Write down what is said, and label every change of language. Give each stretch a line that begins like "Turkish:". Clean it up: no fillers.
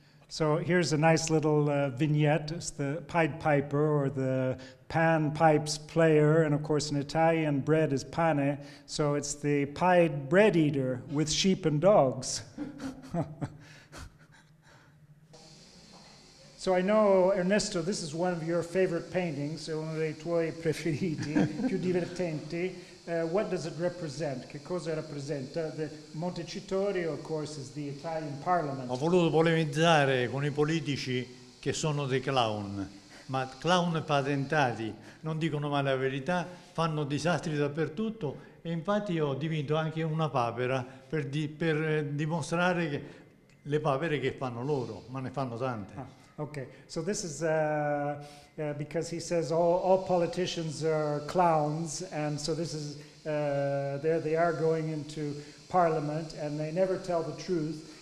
English: So here's a nice little vignette. It's the Pied Piper, or the Pan Pipes player, and of course in Italian, bread is pane, so it's the pied bread eater with sheep and dogs. So I know, Ernesto, this is one of your favorite paintings,
Italian: uno dei tuoi preferiti, più divertenti.
English: What does it represent?
Italian: Che cosa rappresenta?
English: The Montecitorio, of course, is the Italian parliament.
Italian: Ho voluto polemizzare con I politici che sono dei clown, ma clown patentati, non dicono mai la verità, fanno disastri dappertutto, e infatti ho dipinto anche una papera per dimostrare che le papere che fanno loro, ma ne fanno tante. Ah.
English: Okay, so this is because he says all politicians are clowns, and so this is, there they are going into parliament and they never tell the truth,